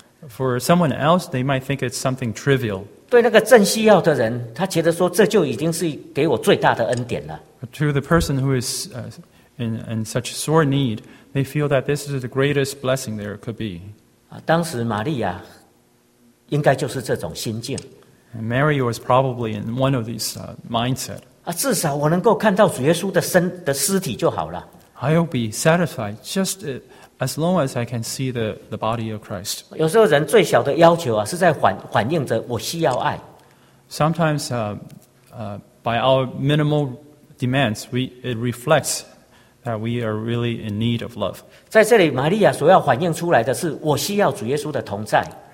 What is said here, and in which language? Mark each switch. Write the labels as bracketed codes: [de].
[en] For someone else, they might think it's something trivial. [zh] 对那个正需要的人，他觉得说这就已经是给我最大的恩典了。 [en] To the person who is in such sore need, they feel that this is the greatest blessing there could be. [zh] 当时玛利亚。应该就是这种心境。 [en] Mary was probably in one of these mindset. [zh] 啊，至少我能够看到主耶稣的尸体就好了。 [en] I'll be satisfied just as long as I can see the body of Christ. [zh] 有时候人最小的要求啊，是在反映着我需要爱。 [en] Sometimes, by our minimal demands, it reflects that we are really in need of love. [zh] 在这里，玛利亚所要反映出来的是，我需要主耶稣的同在。